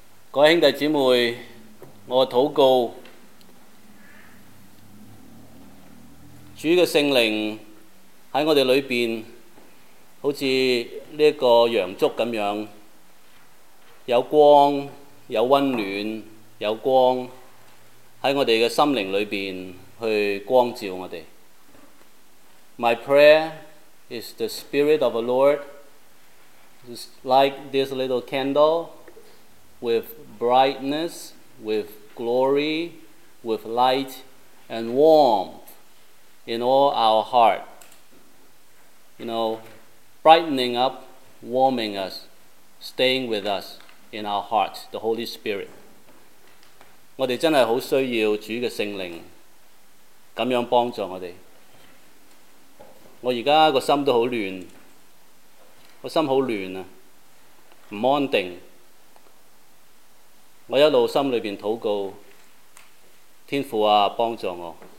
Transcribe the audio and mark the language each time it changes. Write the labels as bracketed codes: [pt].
[zh] 各位兄弟姊妹，我禱告主的聖靈在我們裏面好像這個洋燭一樣，有光、有温暖、有光在我們的心靈裏面去光照我們。 [en] My prayer is the Spirit of the Lord is like this little candle with brightness, with glory, with light and warmth in all our heart, you know, brightening up, warming us, staying with us in our hearts, the Holy Spirit. [zh] 我们真的很需要主的圣灵这样帮助我们。我现在的心都很乱，我心很乱，不安定。我一路心里面祷告，天父啊，帮助我。